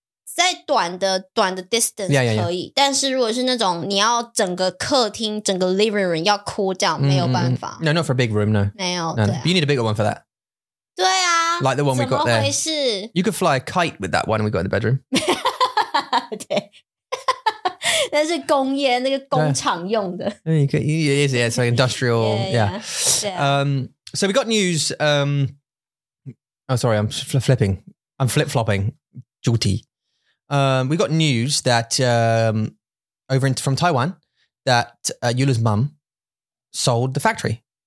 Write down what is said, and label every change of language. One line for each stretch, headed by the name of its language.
Chinese: 在短的 distance 可以, 但是如果是那种你要整个客厅, 整个 living room 要
English: cool down,
Chinese: 没有办法。
English: No, not for a big room, no.
Chinese: 没有。
English: You need a bigger one for that.
Chinese: 对啊,
English: like the one we got there.
Chinese: 怎么回事?
English: You could fly a kite with that one we got in the bedroom.
Chinese: 对, 那是工业, 那个工厂用的。
English: Yeah, it is, yeah, it's like industrial, yeah. So we got news, Oh, sorry, I'm flipping. I'm flip-flopping. Jutti. We got news that over in, from Taiwan that Yula's mum sold the factory.